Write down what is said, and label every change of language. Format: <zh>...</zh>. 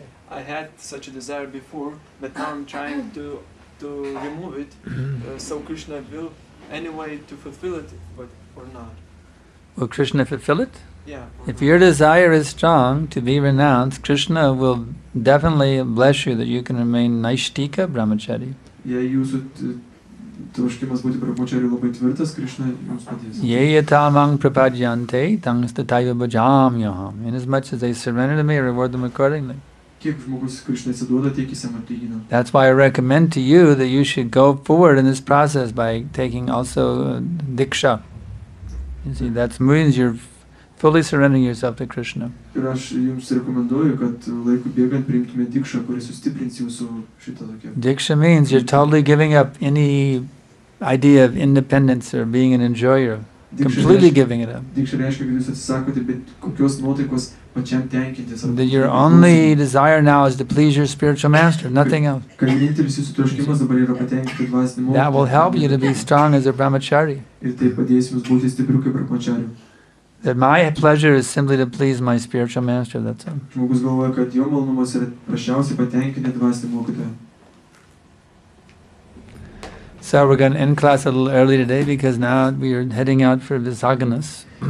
<en>I had such a desire before, but now I'm trying to remove it, so Krishna will anyway to fulfill it, but or not. Will Krishna fulfill it? Yeah. If your desire is strong to be renounced, Krishna will definitely bless you that you can remain naishtika brahmachari. Yeah, you should</en> <lt>troškimas būti brahmachari labai tvirtas, Krishna jums padės.</lt> <en>Inasmuch as they surrender to me, I reward them accordingly. That's why I recommend to you that you should go forward in this process by taking also diksha. You see, that means you're fully surrendering yourself to Krishna.</en> <lt>Ir aš jums rekomenduoju, kad laiku bėgant priimtume dikšą, kuris sustiprins jūsų šitą tokią.</lt> <en>Diksha means you're totally giving up any idea of independence or being an enjoyer. Completely giving it up.</en> <lt>Diksha reiškia, kad jūs atsisakote bet kokios nuotaikos pačiam tenkintis.</lt> <en>That your only desire now is to please your spiritual master, nothing else.</en> <lt>Kad vienintelis jūsų troškimas dabar yra patenkinti dvasinį mokytoją.</lt> <en>That will help you to be strong as a brahmachari.</en> <lt>Ir tai padės jums būti stipriu kaip brahmachariu.</lt> <en>That my pleasure is simply to please my spiritual master, that's all.</en> <lt>Žmogus galvoja, kad jo malonumas yra paprasčiausiai patenkinti dvasinį mokytoją.</lt> <en>So we're going to end class a little early today because now we are heading out for Visaganas.</en>